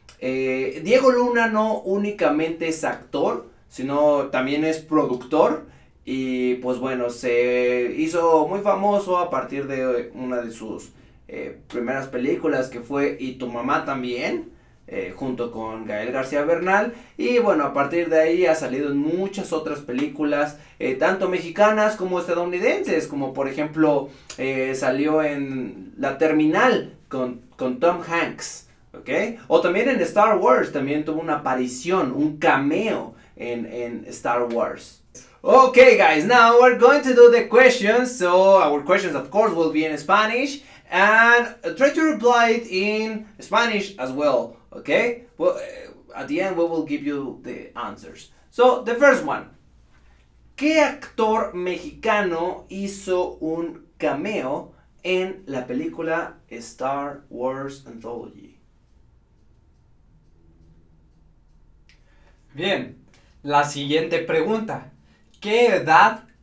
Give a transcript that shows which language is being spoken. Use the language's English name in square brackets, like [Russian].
[Spanish] Diego Luna no únicamente es actor, sino también es productor, y pues bueno, se hizo muy famoso a partir de una de sus primeras películas, que fue Y tu mamá también, junto con Gael García Bernal, y bueno, a partir de ahí ha salido en muchas otras películas, tanto mexicanas como estadounidenses, como por ejemplo, salió en La Terminal con Tom Hanks, ¿ok? O también en Star Wars, también tuvo una aparición, un cameo en Star Wars. [English] Okay, guys, now we're going to do the questions, so our questions, of course, will be in Spanish, and try to reply it in Spanish as well. Okay, well, at the end we will give you the answers. So, the first one. [Spanish] ¿Qué actor mexicano hizo un cameo en la película Star Wars Anthology? Bien, la siguiente pregunta. ¿Qué edad